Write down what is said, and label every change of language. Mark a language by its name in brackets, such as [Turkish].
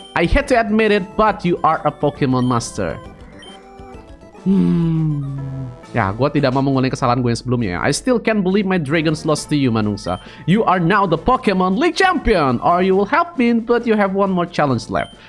[English] I hate to admit it, but you are a Pokemon Master. [Indonesian] Ya, gue tidak mau mengulangi kesalahan gue yang sebelumnya. [English] I still can't believe my dragons lost to you, Manusa. You are now the Pokemon League Champion. Or you will help me, but you have one more challenge left.